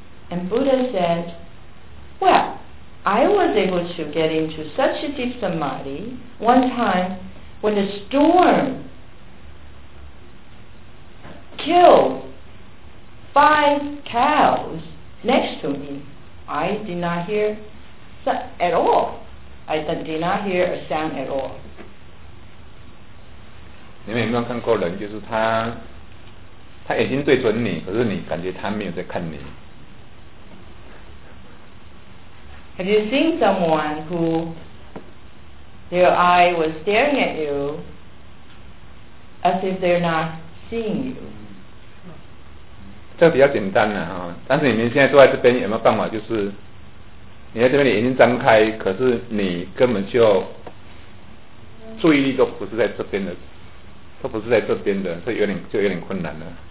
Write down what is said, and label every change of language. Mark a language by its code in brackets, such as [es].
[en] And Buddha said, well, I was able to get into such a deep samadhi one time when a storm killed 5 cows next to me. I did not hear at all. I did not hear a sound at all. [zh] 你们有没有看过人，就是他眼睛对准你，可是你感觉他没有在看你。 [en] Have you seen someone who their eye was staring at you as if they're not seeing you? [zh] 这比较简单了，但是你们现在坐在这边有没有办法，就是你在这边眼睛张开，可是你根本就注意力都不是在这边的，都不是在这边的，这有点困难了。